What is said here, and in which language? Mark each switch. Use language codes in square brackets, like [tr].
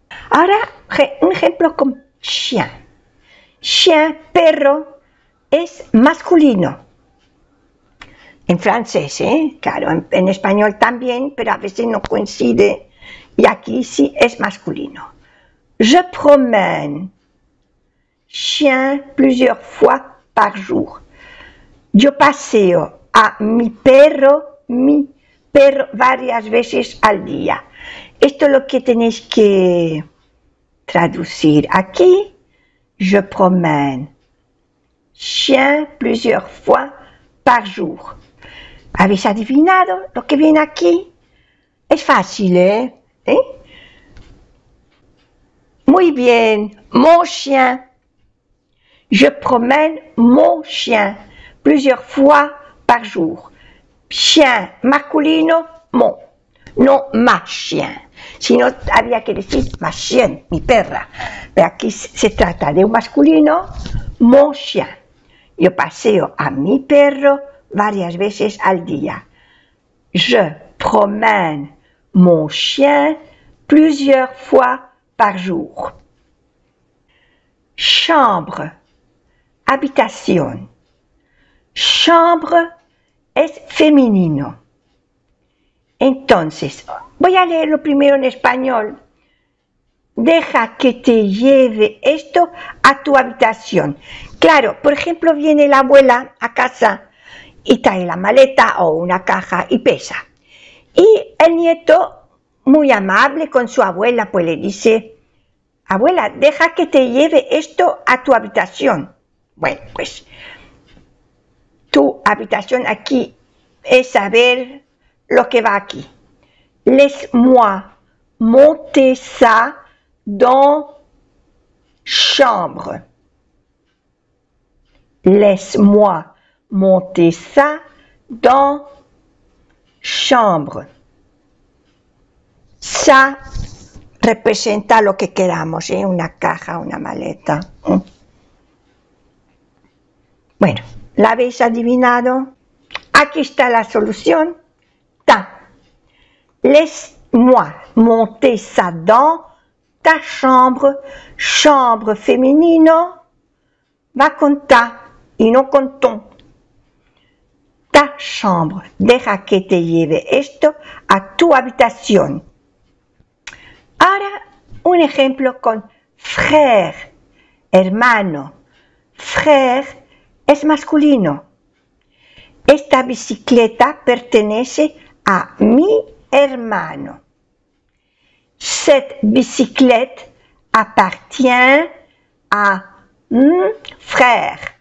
[es] Ahora, un ejemplo con chien. Chien, perro, es masculino. En francés, ¿eh? Claro, en español también, pero a veces no coincide. Y aquí sí es masculino. [fr] Je promène. Chien plusieurs fois par jour. [es] Yo paseo a mi perro varias veces al día. Esto es lo que tenéis que traducir aquí. [fr] Je promène chien plusieurs fois par jour. [es] ¿Habéis adivinado lo que viene aquí? Es fácil, ¿eh? ¿Eh? Muy bien, mon chien. [fr] Je promène mon chien plusieurs fois par jour. [es] Chien masculino, mon. No, ma chien. Si no, había que decir ma chien, mi perra. Pero aquí se trata de un masculino, mon chien. Yo paseo a mi perro varias veces al día. [fr] Je promène mon chien plusieurs fois par jour. [es] Chambre, habitación. Chambre es femenino. Entonces, voy a leerlo primero en español. Deja que te lleve esto a tu habitación. Claro, por ejemplo, viene la abuela a casa y trae la maleta o una caja y pesa. Y el nieto, muy amable con su abuela, pues le dice, abuela, deja que te lleve esto a tu habitación. Bueno, pues tu habitación aquí es saber lo que va aquí. [fr] Laisse-moi monter ça dans chambre. Laisse-moi monter ça dans chambre. Ça représente [es] lo que queramos, ¿eh? Una caja, una maleta. Bueno, ¿la habéis adivinado? Aquí está la solución. [fr] Laisse-moi monter ça dans ta chambre. [es] Chambre féminino va con ta y no con ton. Ta chambre. Deja que te lleve esto a tu habitación. Ahora un ejemplo con frère, hermano. Frère es masculino. Esta bicicleta pertenece a mi hermano. [fr] Cette bicyclette appartient à mon frère.